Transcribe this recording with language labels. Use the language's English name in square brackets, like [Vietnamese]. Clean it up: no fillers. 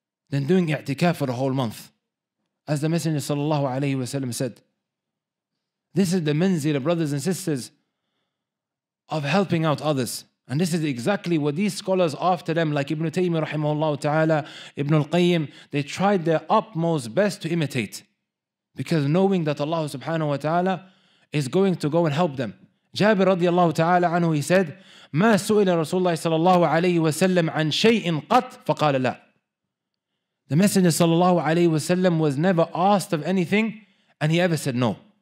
[English] Than doing i'tikaf for a whole month. As the Messenger sallallahu alayhi wa sallam said, this is the manzila, brothers and sisters, of helping out others. And this is exactly what these scholars after them, like Ibn Taymiyyah rahimahullah ta'ala, Ibn al-Qayyim, they tried their utmost best to imitate. Because knowing that Allah subhanahu wa ta'ala is going to go and help them. Jabir radiallahu ta'ala anhu, he said, [Arabic] مَا سُئِلَ رَسُولُ اللَّهِ صَلَى اللَّهُ عَلَيْهِ وَسَلَّمْ عَنْ شَيْءٍ قَطْ فَقَالَ لَا. [English] The Messenger sallallahu alayhi wa sallam was never asked of anything and he ever said no.